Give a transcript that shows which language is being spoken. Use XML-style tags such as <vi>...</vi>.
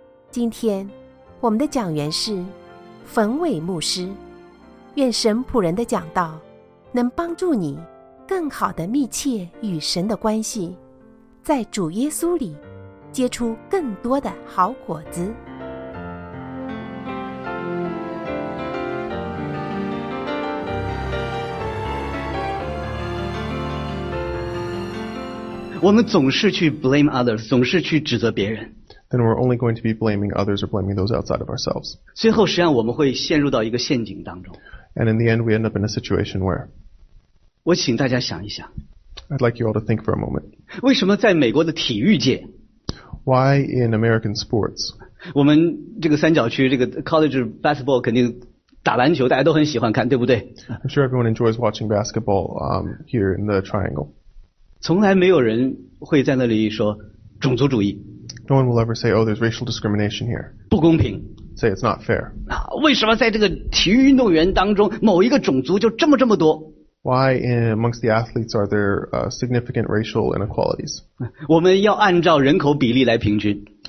<zh>今天我们的讲员是冯伟牧师，愿神仆人的讲道能帮助你更好地密切与神的关系，在主耶稣里结出更多的好果子。我们总是去</zh> <en>blame others，</en> <zh>总是去指责别人。</zh> <en>Then we're only going to be blaming others or blaming those outside of ourselves.</en> <zh>最后实际上我们会陷入到一个陷阱当中。</zh> <en>And in the end, we end up in a situation where.</en> <zh>我请大家想一想。</zh> <en>I'd like you all to think for a moment.</en> <zh>为什么在美国的体育界？</zh> <en>Why in American sports?</en> <zh>我们这个三角区这个 college basketball 肯定打篮球大家都很喜欢看，对不对</zh> <en>？I'm sure everyone enjoys watching basketball here in the triangle.</en> <zh>从来没有人会在那里说种族主义。</zh> <en>No one will ever say, "Oh, there's racial discrimination here."</en> <zh>不公平。</zh> <en>Say it's not fair.</en> <zh>为什么在这个体育运动员当中某一个种族就这么多？</zh> <en>Why amongst the athletes are there significant racial inequalities?</en> <zh>我们要按照人口比例来平均。</zh>